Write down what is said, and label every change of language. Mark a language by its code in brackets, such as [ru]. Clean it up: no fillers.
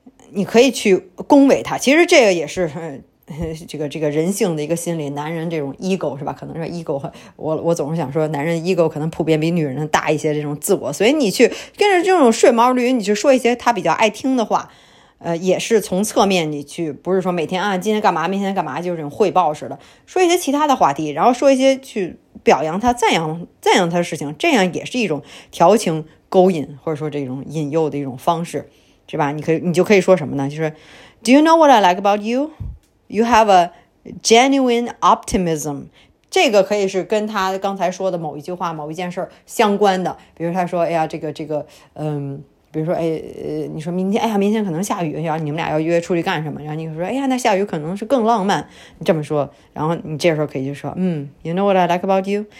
[zh] 你可以去恭维他，其实这个也是这个人性的一个心理，男人这种 ego 是吧，可能是 ego, 我总是想说男人 ego 可能普遍比女人大一些，这种自我，所以你去跟着这种顺毛驴，你去说一些他比较爱听的话，也是从侧面你去，不是说每天啊今天干嘛明天干嘛，就是这种汇报似的，说一些其他的话题，然后说一些去表扬他赞扬他的事情，这样也是一种调情勾引或者说这种引诱的一种方式。是吧，你就可以说什么呢，就是 [en] Do you know what I like about you? You have a genuine optimism. [zh] 这个可以是跟他刚才说的某一句话某一件事相关的，比如他说哎呀这个比如说你说明天哎呀明天可能下雨，要你们俩要约出去干什么，然后你说哎呀那下雨可能是更浪漫，你这么说，然后你这时候可以就说 [en] You know what I like about you?